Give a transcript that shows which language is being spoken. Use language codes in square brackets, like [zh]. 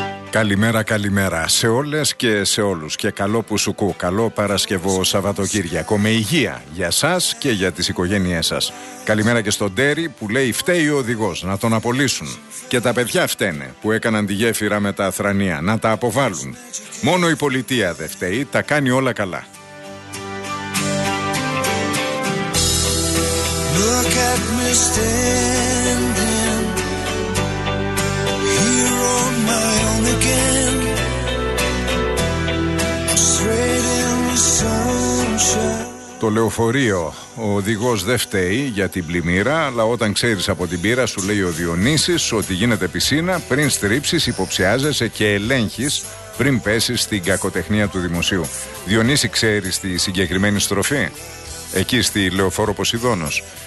[el] Καλημέρα, καλημέρα σε όλες και σε όλους και καλό Πουσουκού, καλό Παρασκευό Σαββατοκύριακο με υγεία για σας και για τις οικογένειές σας. Καλημέρα και στον Τέρι που λέει φταίει ο οδηγός, να τον απολύσουν. Και τα παιδιά φταίνε που έκαναν τη γέφυρα με τα αθρανία, να τα αποβάλουν. Μόνο η πολιτεία δεν φταίει, τα κάνει όλα καλά. [en] Look at me standing here on my own again, straight in the sunshine. [el] Το λεωφορείο, ο οδηγός δεν φταίει για την πλημμύρα, αλλά όταν ξέρεις από την πείρα σου, λέει ο Διονύσης, ότι γίνεται πισίνα, πριν στρίψεις υποψιάζεσαι και ελέγχεις πριν πέσεις στην κακοτεχνία του δημοσίου. Διονύση, ξέρεις τη συγκεκριμένη στροφή εκεί στη λεωφόρο Ποσειδώνος?